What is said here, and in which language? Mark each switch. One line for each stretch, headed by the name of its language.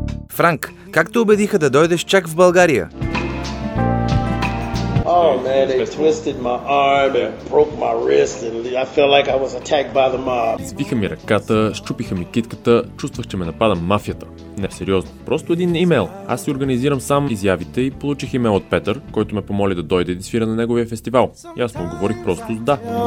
Bulgarian: Франк, как ты убедиха да дойдеш чак в България?
English: Oh man, they twisted my arm and broke my wrist and I felt like I was attacked by the mob.
Bulgarian: Извиха ми ръката, щупиха ми китката, чувствах, че ме напада мафията. Не, сериозно. Просто един имейл. Аз си организирам сам изявите и получих имейл от Петър, който ме помоли да дойде да свира на неговия фестивал. И аз му говорих просто с да.